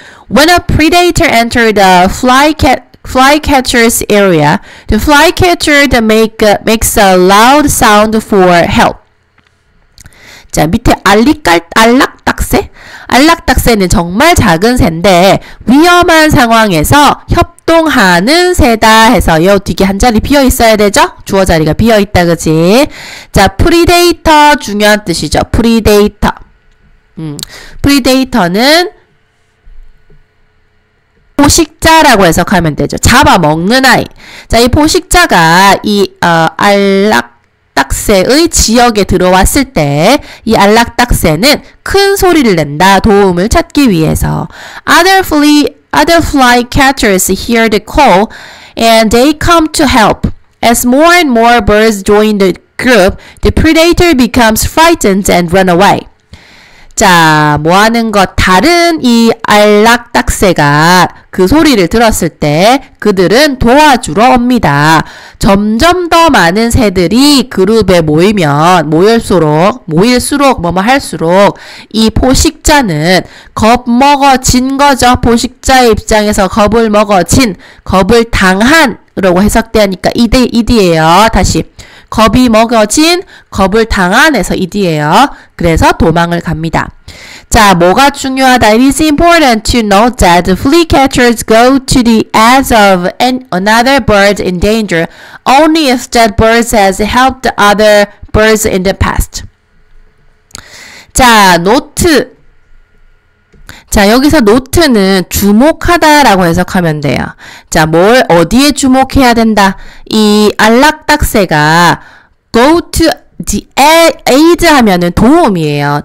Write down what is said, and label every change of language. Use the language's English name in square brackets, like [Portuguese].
[English] When a predator entered a flycatcher's area, the flycatcher makes a loud sound for help. [Korean] 자, 밑에 알락딱새? 알락딱새는 정말 작은 새인데 위험한 상황에서 협동하는 새다 해서 요 뒤에 한 자리 비어 있어야 되죠? 주어 자리가 비어 있다, 그치? 자, 프리데이터 중요한 뜻이죠. 프리데이터. 프리데이터는 포식자라고 해석하면 되죠. 잡아먹는 아이. 자, 이 포식자가 이 알락딱새의 지역에 들어왔을 때 이 알락딱새는 큰 소리를 낸다. 도움을 찾기 위해서. [English] Other fly catchers hear the call and they come to help. As more and more birds join the group, the predator becomes frightened and run away. [Korean] 자, 뭐 하는 것, 다른 이 알락딱새가 그 소리를 들었을 때 그들은 도와주러 옵니다. 점점 더 많은 새들이 그룹에 모이면 모일수록 뭐뭐 할수록 이 포식자는 겁먹어진 거죠. 포식자의 입장에서 겁을 먹어진, 겁을 당한 라고 해석되니까 ED예요. 다시. 겁이 먹어진, 겁을 당한에서 ED예요. 그래서 도망을 갑니다. 자, 뭐가 중요하다? [English] It is important to note that the flea catchers go to the aid of another bird in danger only if that bird has helped other birds in the past. [Korean] 자, 노트. 자, 여기서 노트는 주목하다 라고 해석하면 돼요. 자, 뭘 어디에 주목해야 된다? 이 알락딱새가 [English] go to the aid [Korean] 하면은 도움이에요.